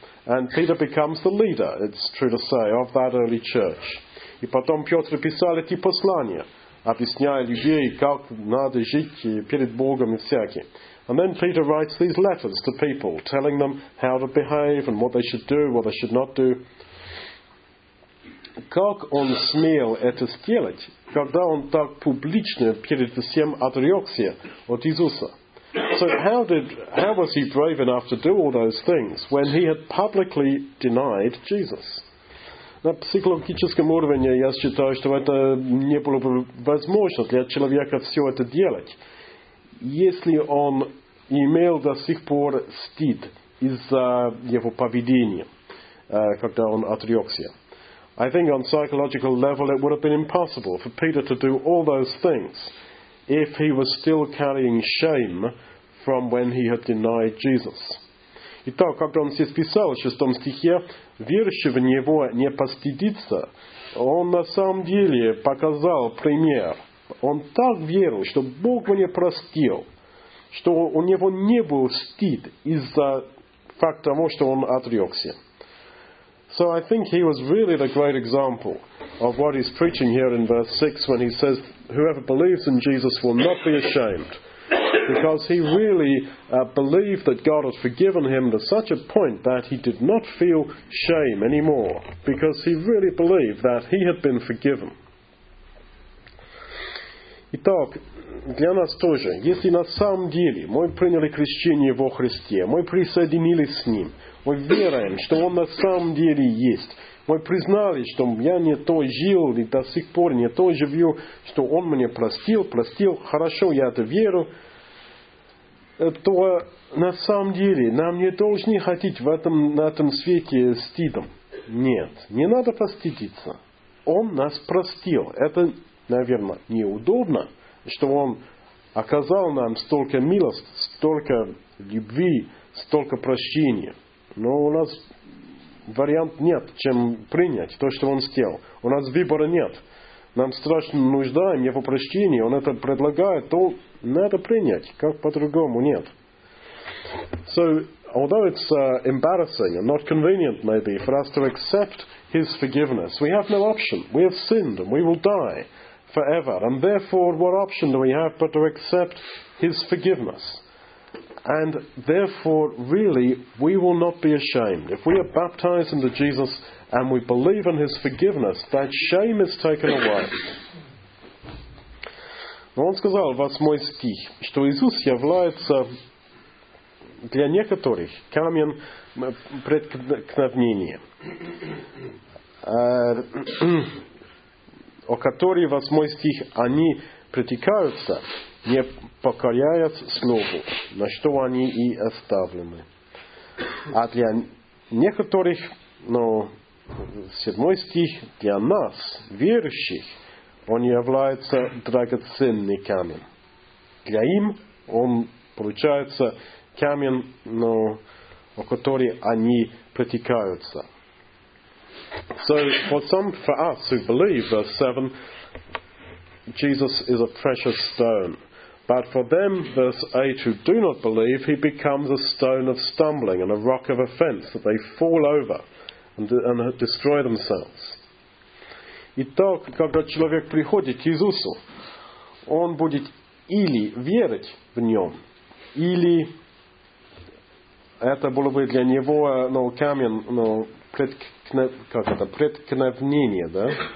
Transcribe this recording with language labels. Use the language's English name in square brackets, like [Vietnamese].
[English] And Peter becomes the leader, it's true to say, of that early church. [Russian] И потом Петр писал эти послания, объясняя людей, как надо жить перед Богом и всякие. [English] And then Peter writes these letters to people, telling them how to behave and what they should do, what they should not do. [Russian] Как он смел это сделать, когда он так публично перед всем отрекся от Иисуса? [English] So how was he brave enough to do all those things when he had publicly denied Jesus? [Russian] На психологическом уровне я считаю, что это не было бы возможно для человека все это делать. Если он имел до сих пор стыд из-за его поведения, когда он отрекся. [English] I think on psychological level it would have been impossible for Peter to do all those things if he was still carrying shame from when he had denied Jesus. [Russian] Итак, как он здесь писал в шестом стихе, верующий в него не постыдится, он на самом деле показал пример. Он так верил, что Бог мне простил, что у него не был стыд из-за факта того, что он отрекся. [English] So I think he was really the great example of what he's preaching here in verse 6 when he says, whoever believes in Jesus will not be ashamed. Because he really believed that God had forgiven him to such a point that he did not feel shame anymore. Because he really believed that he had been forgiven. [Russian] Итак, для нас тоже, если на самом деле мы приняли крещение во Христе, мы присоединились с Ним, мы веруем, что Он на самом деле есть, мы признали, что я не то жил и до сих пор не то живу, что Он мне простил, хорошо, я это верю, то на самом деле нам не должны ходить в этом, на этом свете стыдом. Нет, не надо постыдиться. Он нас простил. Это, наверное, неудобно, что Он оказал нам столько милости, столько любви, столько прощения. Но у нас вариант нет, чем принять то, что Он сделал. У нас выбора нет. Нам страшно нуждаем Его прощения. Он это предлагает, то надо принять, как по-другому нет. [English] So, although it's embarrassing and not convenient, maybe, for us to accept His forgiveness, we have no option. We have sinned and we will die forever. And therefore, what option do we have but to accept His forgiveness? And therefore, really, we will not be ashamed. If we are baptized into Jesus and we believe in His forgiveness, that shame is taken away. [Russian] Но он сказал, 8 стих, что Иисус является для некоторых камнем преткновения, о которой, 8 стих, они притекаются, не покоряясь слову, на что они и оставлены. А для некоторых, но 7 стих, для нас, верующих, он является драгоценный камень. Для им он получается камень, но, о который они притекаются. [English] So for us who believe, verse 7, Jesus is a precious stone. But for them, verse 8, who do not believe, he becomes a stone of stumbling and a rock of offense that they fall over and destroy themselves. [Russian] Итак, когда человек приходит к Иисусу, он будет или верить в Нем, или это было бы для него, ну, камень, ну, преткновение, да?